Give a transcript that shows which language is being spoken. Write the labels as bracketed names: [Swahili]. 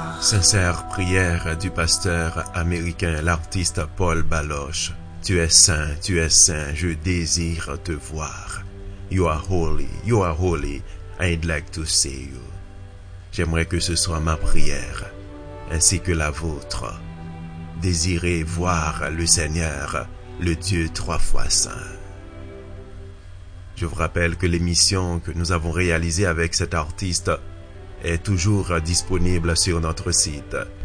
[French] Sincère prière du pasteur américain, l'artiste Paul Baloche. Tu es saint, je désire te voir. [English] You are holy, I'd like to see you. [French] J'aimerais que ce soit ma prière, ainsi que la vôtre. Désirez voir le Seigneur, le Dieu trois fois saint. Je vous rappelle que l'émission que nous avons réalisée avec cet artiste est toujours disponible sur notre site.